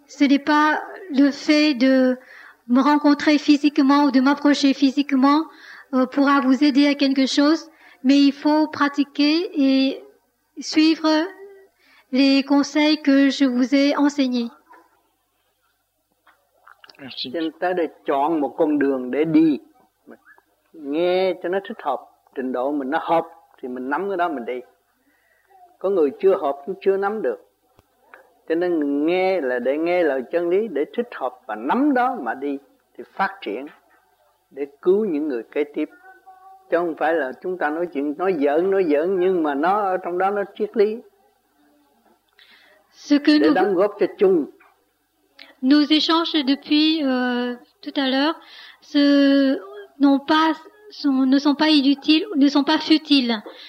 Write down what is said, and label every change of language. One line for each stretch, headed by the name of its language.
French: Ce n'est pas le fait de me rencontrer physiquement ou de m'approcher physiquement pourra vous aider à quelque chose. Mais il faut pratiquer et suivre les conseils que je vous ai enseignés. Merci.
Vietnamese: Chúng ta đã chọn một con đường để đi, nghe cho nó thích hợp, trình độ mình nó hợp thì mình nắm cái đó mình đi. Có người chưa hợp cũng chưa nắm được. Cho nên nghe là để nghe lời chân lý, để thích hợp và nắm đó mà đi thì phát triển để cứu những người kế tiếp. Chứ không phải là chúng ta nói chuyện nói giỡn nhưng mà nó ở trong đó nó triết lý.
French: Ce que
Vietnamese: để đóng góp cho chung.
French: Nos échanges depuis tout à l'heure ne sont pas inutiles, ne sont pas futiles.